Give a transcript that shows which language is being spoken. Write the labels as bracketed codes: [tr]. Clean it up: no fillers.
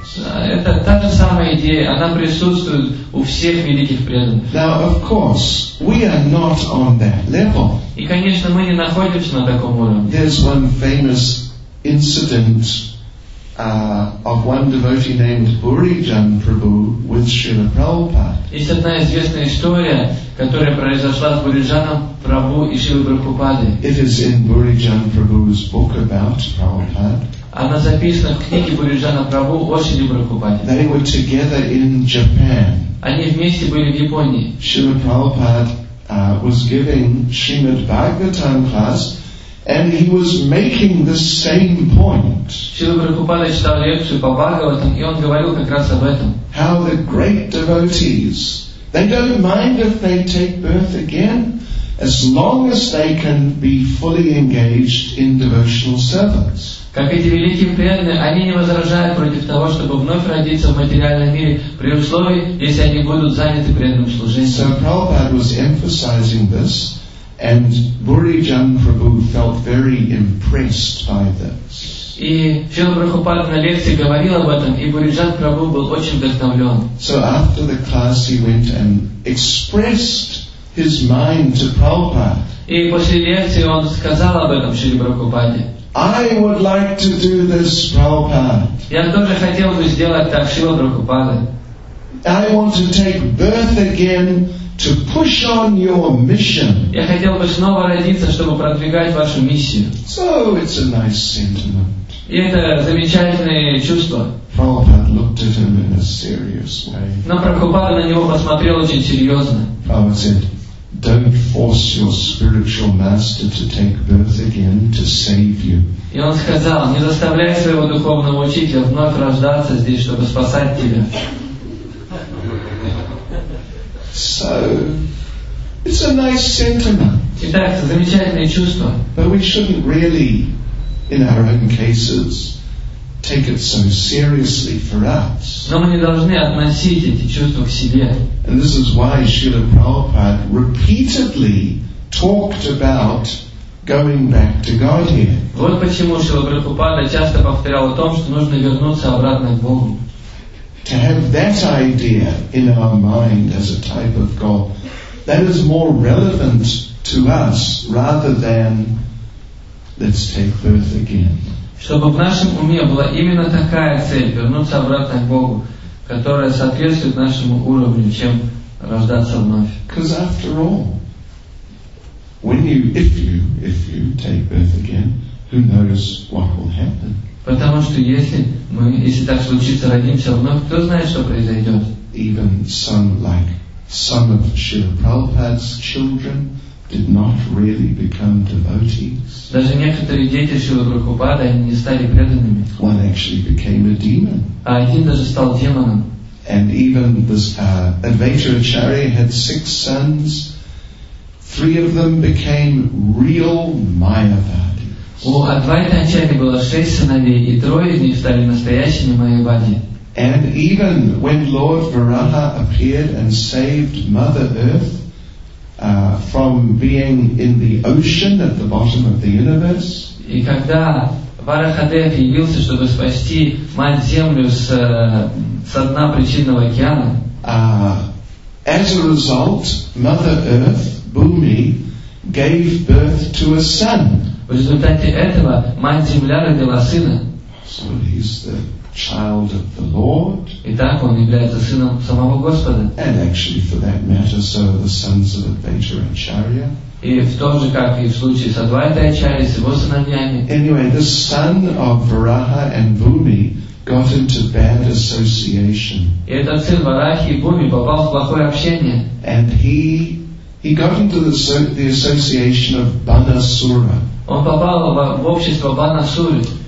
[ru] Это та же самая идея, она присутствует у всех великих преданных. [en] Now, of course, we are not on that level. [ru] И, конечно, мы не находимся на таком уровне. [en] There's one famous incident of one devotee named Burijan Prabhu with Srila Prabhupada. [ru] Есть одна известная история, которая произошла с Буриджаном Прабху и Шрилой Прабхупадой. [en] It is in Burijan Prabhu's book about Prabhupada. [ru] Она записана в книге Буриджана Прабху о Шриле Прабхупаде. [en] They were together in Japan. [ru] Они вместе были в Японии. [en] Шрила Прабхупада was giving Srimad Bhagavatam class. And he was making the same point. [ru] Шрила Прабхупада читал лекцию по Бхагаватам, и он говорил как раз об этом. [en] How the great devotees, they don't mind if they take birth again, as long as they can be fully engaged in devotional service. [ru] Как эти великие преданные, они не возражают против того, чтобы вновь родиться в материальном мире, при условии, если они будут заняты преданным служением. [en] So Prabhupada was emphasizing this. And Burijan Prabhu felt very impressed by this. [ru] И Шрила Прабхупада на лекции говорил об этом, и Бориджан Прабху был очень вдохновлен. [en] So after the class he went and expressed his mind to Prabhupada. [ru] И после лекции он сказал об этом Шриле Прабхупаде. [en] I would like to do this, Prabhupada. [ru] Я тоже хотел бы сделать так, Шрила Прабхупада. [en] I want to take birth again to push on your mission. [ru] Я хотел бы снова родиться, чтобы продвигать вашу миссию. [en] So it's a nice sentiment. [ru] И это замечательное чувство. [en] Prabhupada looked at him in a serious way. [ru] Но Прабхупада на него посмотрел очень серьезно. [en] Prabhupada said, "Don't force your spiritual master to take birth again to save you." [ru] И он сказал, не заставляй своего духовного учителя вновь рождаться здесь, чтобы спасать тебя. [en] So, it's a nice sentiment. [ru] Итак, это замечательное чувство. [en] But we shouldn't really, in our own cases, take it so seriously for us. [ru] Но мы не должны относить эти чувства к себе. [en] And this is why Srila Prabhupada repeatedly talked about going back to Godhead. [ru] Вот почему Шрила Прабхупада часто повторял о том, что нужно вернуться обратно к Богу. [en] To have that idea in our mind as a type of goal, that is more relevant to us rather than let's take birth again. [ru] Чтобы в нашем уме была именно такая цель, вернуться обратно к Богу, которая соответствует нашему уровню, чем рождаться вновь. [en] Because after all, if you take birth again, who knows what will happen? [ru] Потому что если так случится, родимся вновь, кто знает, что произойдет. [en] Even some, like some of Srila Prabhupada's children, did not really become devotees. [ru] Даже некоторые дети Шрилы Прабхупады не стали преданными. [en] One actually became a demon. [ru] А один даже стал демоном. [en] And even this Advaita Acharya had 6 sons. 3 of them became real Mayavadis. [ru] У Адвайта Ачарьи было 6 сыновей, и 3 из них стали настоящими майявади. [en] And even when Lord Varaha appeared and saved Mother Earth from being in the ocean at the bottom of the universe. [ru] И когда Варахадев явился, чтобы спасти Мать Землю со дна причинного океана. [en] As a result, Mother Earth, Bhumi, gave birth to a son. [ru] В результате этого Мать Земля родила сына. [en] So he's the child of the Lord. [ru] Итак, он является сыном самого Господа. [en] And actually, for that matter, so are the sons of Advaita Acharya. [ru] И в том же, как и в случае с Адвайтой Ачарьей, с его сыновьями. [en] Anyway, the son of Varaha and Bhumi got into bad association. [ru] И этот сын Варахи и Бхуми попал в плохое общение. [en] And he got into the association of Banasura. [ru] Он попал в общество Банасуры.